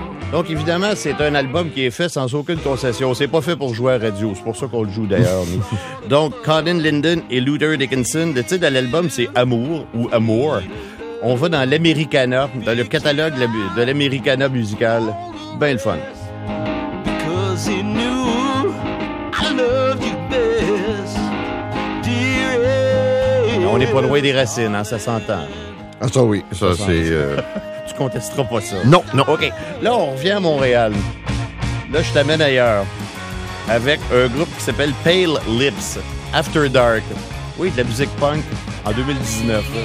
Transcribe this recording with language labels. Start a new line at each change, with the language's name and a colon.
French: Donc, évidemment, c'est un album qui est fait sans aucune concession. C'est pas fait pour jouer à radio. C'est pour ça qu'on le joue, d'ailleurs. Donc, Colin Linden et Luther Dickinson, le titre de l'album, c'est Amour ou Amour. On va dans l'Americana, dans le catalogue de l'Americana musical. Ben le fun.
English: Because he knew I loved you best, dear.
French: On n'est pas loin des racines, hein, ça s'entend. Ah, ça oui, ça c'est. Tu contesteras pas ça. Non, non. OK. Là, on revient à Montréal. Là, je t'amène ailleurs. Avec un groupe qui s'appelle Pale Lips, After Dark. Oui, de la musique punk en 2019.